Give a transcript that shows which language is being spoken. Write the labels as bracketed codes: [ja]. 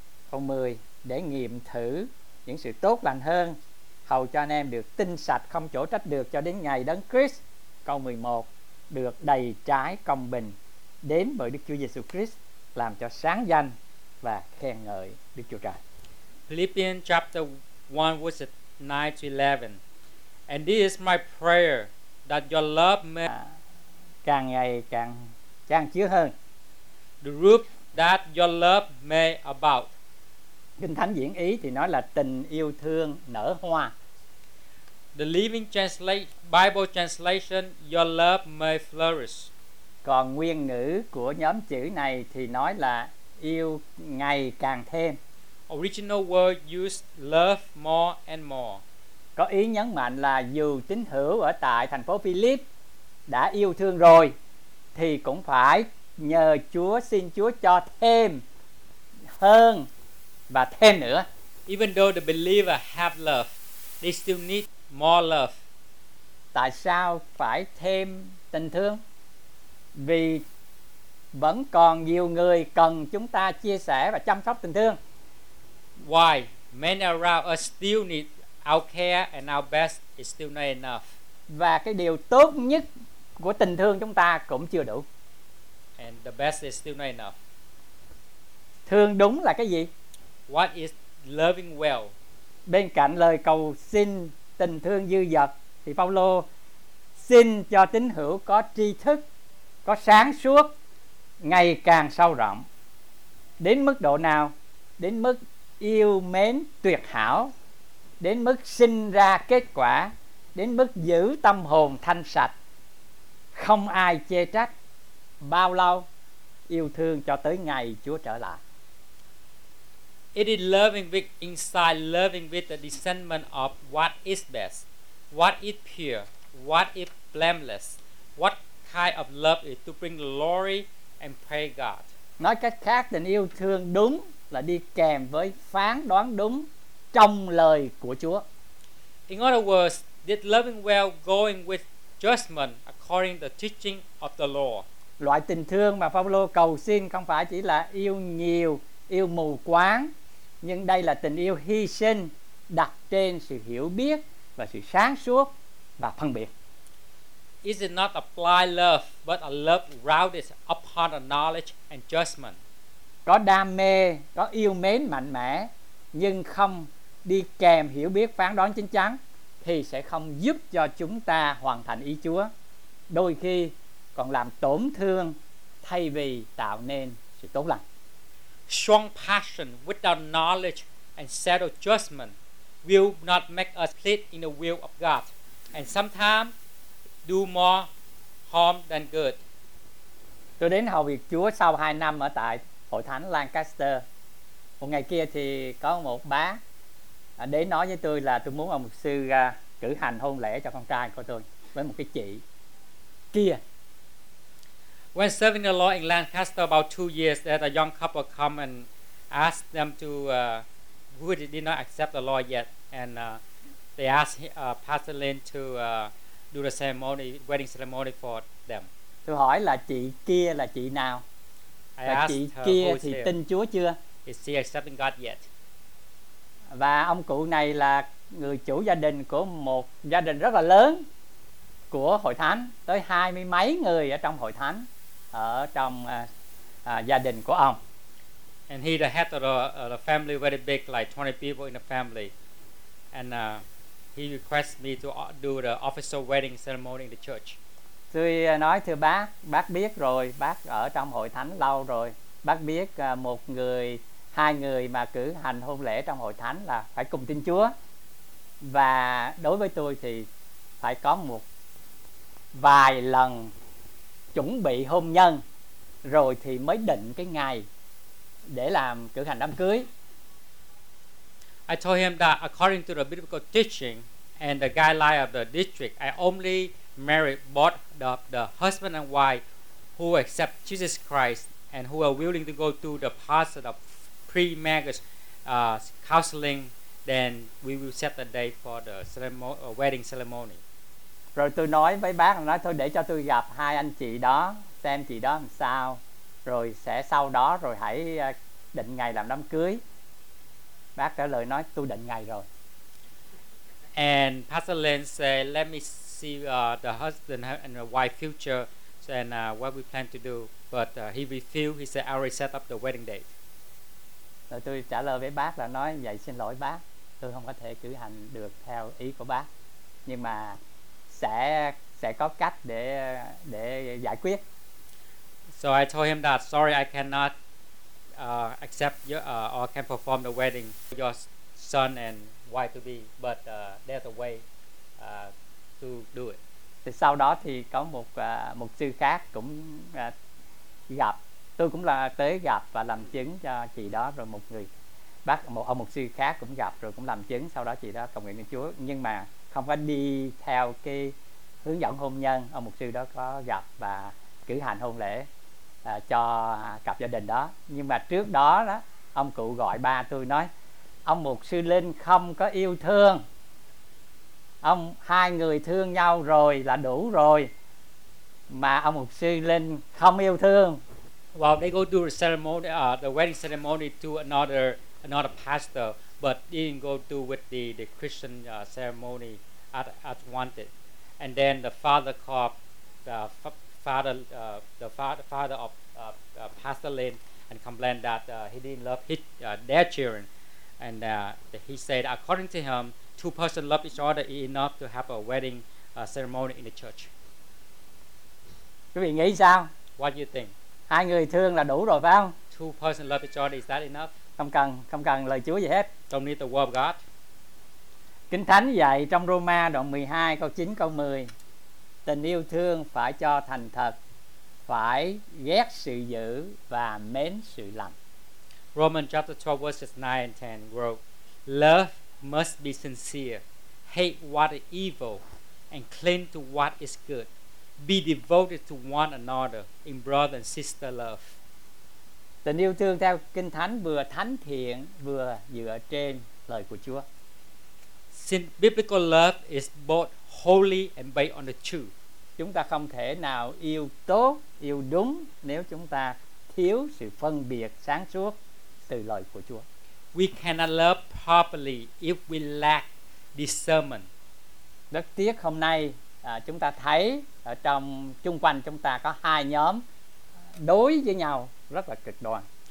[vi] Câu 10, để nghiệm thử những sự tốt lành hơn, hầu cho anh em được tinh sạch không chỗ trách được cho đến ngày Đấng Christ. Câu 11, được đầy trái công bình đến bởi Đức Chúa Giêsu Christ, làm cho sáng danh và khen ngợi Đức Chúa Trời. [en] Philippians chapter 1 verse 9 to 11. And this is my prayer that your love may [vi] càng ngày càng chan chứa hơn. [en] The root that your love may abound. [vi] Kinh Thánh diễn ý thì nói là tình yêu thương nở hoa. [en] The Living Bible Translation, your love may flourish. [vi] Còn nguyên ngữ của nhóm chữ này thì nói là yêu ngày càng thêm. [en] Original word used love more and more. [vi] Có ý nhấn mạnh là dù tín hữu ở tại thành phố Philip đã yêu thương rồi, thì cũng phải nhờ Chúa, xin Chúa cho thêm hơn và thêm nữa. [en] Even though the believer have love, they still need more love. [vi] Tại sao phải thêm tình thương? Vì vẫn còn nhiều người cần chúng ta chia sẻ và chăm sóc tình thương. [en] Why? Many around us still need our care and our best is still not enough. [vi] Và cái điều tốt nhất của tình thương chúng ta cũng chưa đủ. [en] And the best is still not enough. [vi] Thương đúng là cái gì? [en] What is loving well? [vi] Bên cạnh lời cầu xin tình thương dư dật thì Phaolô xin cho tín hữu có tri thức, có sáng suốt ngày càng sâu rộng. Đến mức độ nào? Đến mức yêu mến tuyệt hảo, đến mức sinh ra kết quả, đến mức giữ tâm hồn thanh sạch, không ai chê trách, bao lâu? Yêu thương cho tới ngày Chúa trở lại. [en] It is loving with inside, loving with the discernment of what is best, what is pure, what is blameless, what kind of love is to bring glory and praise God. [vi] Nói cách khác, tình yêu thương đúng là đi kèm với phán đoán đúng trong lời của Chúa. [en] In other words, this loving well going with judgment according to the teaching of the law. [vi] Loại tình thương mà Phaolô cầu xin không phải chỉ là yêu nhiều, yêu mù quáng, Nhưng đây là tình yêu hy sinh đặt trên sự hiểu biết và sự sáng suốt và phân biệt. [en] Is it not a blind love, but a love rounded upon a knowledge and judgment? [vi] Có đam mê, có yêu mến mạnh mẽ, nhưng không đi kèm hiểu biết phán đoán chính chắn, thì sẽ không giúp cho chúng ta hoàn thành ý Chúa. Đôi khi còn làm tổn thương thay vì tạo nên sự tốt lành. [en] Strong passion without knowledge and settled judgment will not make us fit in the will of God, and sometimes do more harm than good. [vi] Tôi đến hầu việc Chúa sau 2 năm ở tại Hội Thánh Lancaster. Một ngày kia thì có một bác đến nói với tôi là tôi muốn ông mục sư cử hành hôn lễ cho con trai của tôi với một cái chị kia. [en] When serving the Lord in Lancaster about 2 years, there a young couple come and asked them to who did not accept the Lord yet, and they asked Pastor Lin to do the ceremony, wedding ceremony for them. [vi] Tôi hỏi là chị kia là chị nào? [en] I asked [vi] chị kia thì [en] here. [vi] Tin Chúa chưa? [en] Is she accepting God yet? [vi] Và ông cụ này là người chủ gia đình của một gia đình rất là lớn của hội thánh, tới 20 mấy người ở trong hội thánh, ở trong gia đình của ông. [en] And he the head of the family, very big, like 20 people in the family. And he requests me to do the official wedding ceremony in the church. [vi] Tôi nói thưa bác biết rồi, bác ở trong hội thánh lâu rồi, bác biết một người, hai người mà cử hành hôn lễ trong hội thánh là phải cùng tin Chúa. Và đối với tôi thì phải có một vài lần chuẩn bị hôn nhân rồi thì mới định cái ngày để làm cử hành đám cưới. [en] I told him that according to the biblical teaching and the guideline of the district, I only marry both the husband and wife who accept Jesus Christ and who are willing to go to the pastor of pre-marriage counseling, then we will set the date for the wedding ceremony. [vi] Rồi tôi nói với bác, nói thôi để cho tôi gặp hai anh chị đó, xem chị đó làm sao, rồi sẽ sau đó rồi hãy định ngày làm đám cưới. Bác trả lời nói tôi định ngày rồi. [en] And Pastor Lin said, let me see the husband and the wife future and what we plan to do. But he refused. He said, I already set up the wedding date. [vi] Rồi tôi trả lời với bác là nói vậy xin lỗi bác, tôi không có thể cử hành được theo ý của bác, nhưng mà sẽ có cách để giải quyết. [en] So I told him that sorry I cannot accept your, or can perform the wedding for your son and wife to be, but there's a way to do it. [vi] Thì sau đó thì có một mục sư khác cũng gặp. Tôi cũng là tới gặp và làm chứng cho chị đó, rồi một người bác, một ông mục sư khác cũng gặp rồi cũng làm chứng, sau đó chị đó cầu nguyện cho Chúa, nhưng mà không có đi theo cái hướng dẫn hôn nhân. Ông mục sư đó có gặp và cử hành hôn lễ cho cặp gia đình đó, nhưng mà trước đó đó ông cụ gọi ba tôi nói ông mục sư Linh không có yêu thương ông, hai người thương nhau rồi là đủ rồi mà ông mục sư Linh không yêu thương. [en] Well, they go to the ceremony, the wedding ceremony to another pastor, but didn't go to with the Christian ceremony as wanted. And then the father called the father of Pastor Lin and complained that he didn't love his their children. And he said, according to him, two persons love each other enough to have a wedding ceremony in the church. [vi] Quý vị nghĩ sao? [en] What do you think? [vi] Hai người thương là đủ rồi phải không? [en] Two persons love each other, is that enough? [vi] Không cần lời Chúa gì hết. [en] Don't need the word of God. [vi] Kinh Thánh dạy trong Roma đoạn 12 câu 9 câu 10, tình yêu thương phải cho thành thật, phải ghét sự dữ và mến sự lành. [en] Romans chapter 12 verses 9 and 10 wrote, love must be sincere, hate what is evil, and cling to what is good. Be devoted to one another in brother and sister love. [vi] Tình yêu thương theo Kinh Thánh vừa thánh thiện vừa dựa trên lời của Chúa. [en] Since biblical love is both holy and based on the truth. [vi] Chúng ta không thể nào yêu tốt, yêu đúng nếu chúng ta thiếu sự phân biệt sáng suốt từ lời của Chúa. [en] We cannot love properly if we lack discernment. [vi] Rất tiếc hôm nay chúng ta thấy ở trong chung quanh chúng ta có hai nhóm đối với nhau rất là cực đoan.